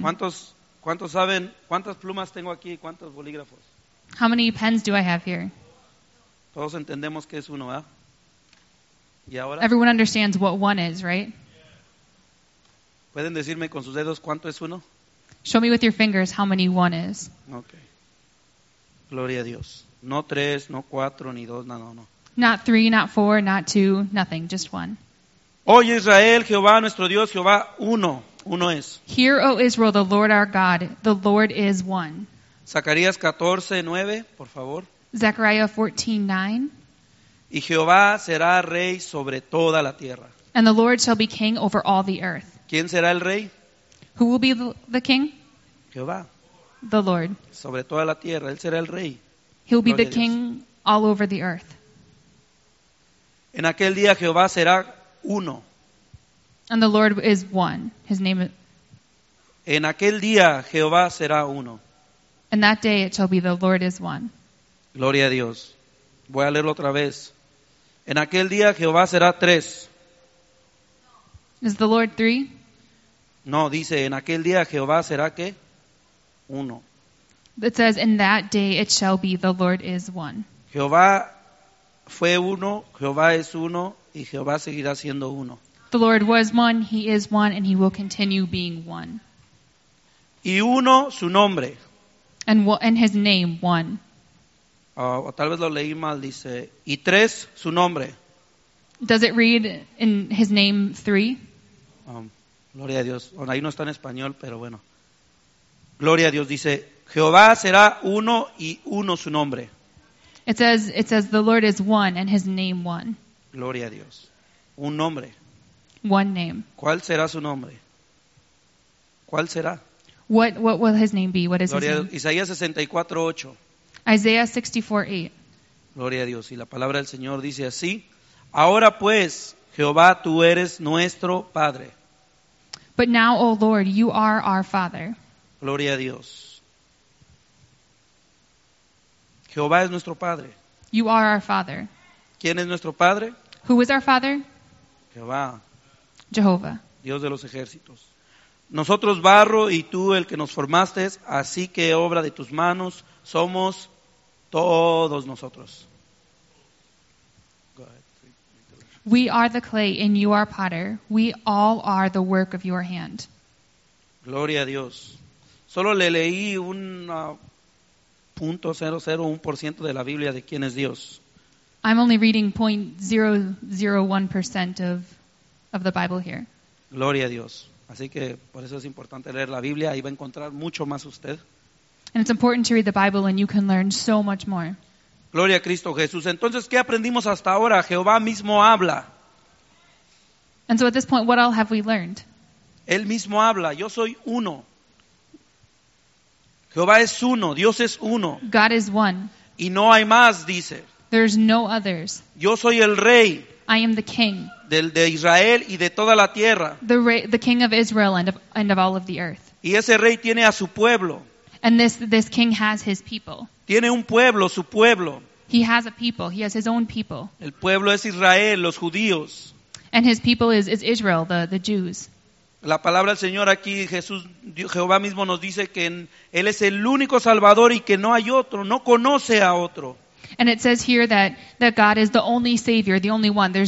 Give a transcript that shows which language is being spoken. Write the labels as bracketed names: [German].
[Spanish] ¿Cuántos saben cuántas plumas tengo aquí y cuántos bolígrafos? [English] How many pens do I have here? [Spanish] Todos entendemos que es uno, ¿verdad? ¿Y ahora? [English] Everyone understands what one is, right? [Spanish] ¿Pueden decirme con sus dedos cuánto es uno? [English] Show me with your fingers how many one is. [Spanish] Okay. Gloria a Dios. No tres, no cuatro, ni dos, no. [English] Not three, not four, not two, nothing, just one. [Spanish] Oye Israel, Jehová nuestro Dios, Jehová uno, uno es. [English] Hear, O Israel, the Lord our God, the Lord is one. [Spanish] Zacarías 14:9, por favor. [English] Zechariah 14:9. [Spanish] Y Jehová será rey sobre toda la tierra. [English] And the Lord shall be king over all the earth. [Spanish] ¿Quién será el rey? [English] Who will be the king? [Spanish] Jehová. [English] The Lord. [Spanish] Sobre toda la tierra, él será el rey. [English] He'll be the king all over the earth. [Spanish] En aquel día Jehová será uno. [English] And the Lord is one. His name is... [Spanish] En aquel día Jehová será uno. [English] And that day it shall be the Lord is one. [Spanish] Gloria a Dios. Voy a leerlo otra vez. En aquel día Jehová será tres. [English] Is the Lord three? [Spanish] No, dice, en aquel día Jehová será ¿qué? Uno. [English] It says, in that day it shall be the Lord is one. [Spanish] Jehová fue uno, Jehová es uno, y Jehová seguirá siendo uno. [English] The Lord was one, he is one, and he will continue being one. [Spanish] Y uno, su nombre. [English] And his name, one. [Spanish] O tal vez lo leí mal, dice, y tres, su nombre. [English] Does it read in his name, three? [Spanish] Gloria a Dios. Bueno, ahí no está en español, pero bueno. Gloria a Dios, dice, Jehová será uno y uno su nombre. [English] It says the Lord is one and his name one. [Spanish] Gloria a Dios. Un nombre. [English] One name. [Spanish] ¿Cuál será su nombre? ¿Cuál será? [English] What will his name be? What is [Spanish] Gloria [English] his name? [Spanish] Isaías 64:8. [English] Isaiah 64:8. [Spanish] Gloria a Dios. Y la palabra del Señor dice así, Ahora pues, Jehová, tú eres nuestro Padre. [English] But now, O Lord, you are our Father. [Spanish] Gloria a Dios. Jehová es nuestro Padre. [English] You are our Father. [Spanish] ¿Quién es nuestro Padre? [English] Who is our Father? [Spanish] Jehová. [English] Jehovah. [Spanish] Dios de los ejércitos. Nosotros barro y tú el que nos formaste, así que obra de tus manos somos todos nosotros. [English] We are the clay and you are potter. We all are the work of your hand. [Spanish] Gloria a Dios. Solo le leí un 0.001% de la Biblia de quién es Dios. [English] I'm only reading 0.001% of the Bible here. [Spanish] Gloria a Dios. Así que por eso es importante leer la Biblia. Ahí va a encontrar mucho más usted. [English] And it's important to read the Bible and you can learn so much more. [Spanish] Gloria a Cristo Jesús. Entonces, ¿qué aprendimos hasta ahora? Jehová mismo habla. [English] And so at this point, what all have we learned? [Spanish] Él mismo habla. Yo soy uno. Jehová es uno. Dios es uno. [English] God is one. [Spanish] Y no hay más, dice. [English] There's no others. [Spanish] Yo soy el rey. [English] I am the king. [Spanish] De Israel y de toda la tierra. [English] The king of Israel and of all of the earth. [Spanish] Y ese rey tiene a su pueblo. [English] And this king has his people. [Spanish] Tiene un pueblo, su pueblo. [English] He has a people. He has his own people. [Spanish] El pueblo es Israel, los judíos. [English] And his people is Israel, the Jews. [Spanish] La palabra del Señor aquí, Jesús, Jehová mismo nos dice que él es el único salvador y que no hay otro, no conoce a otro. [English] And it says here that God is the only savior, the only one.